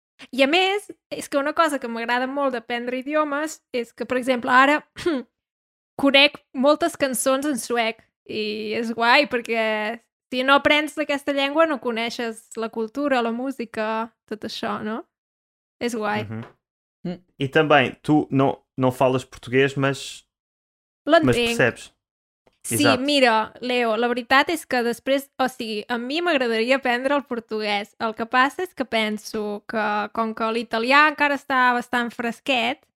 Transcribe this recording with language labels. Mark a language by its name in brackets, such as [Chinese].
[Catalan] I a més, és que una cosa que m'agrada molt d'aprendre idiomes és que, per exemple, ara conec moltes cançons en suec. I és guai, perquè si no aprens aquesta llengua no coneixes la cultura, la música, tot això, no? És guai. Uh-huh. Mm. I també, [Portuguese] tu no falas português, mas... [Catalan] L'entenc. [Portuguese] Percebes. [Catalan] Sí, exacte. Mira, Leo, la veritat és que després... O sigui, a mi m'agradaria aprendre el portuguès. El que passa és que penso que, com que l'italià encara està bastant fresquet...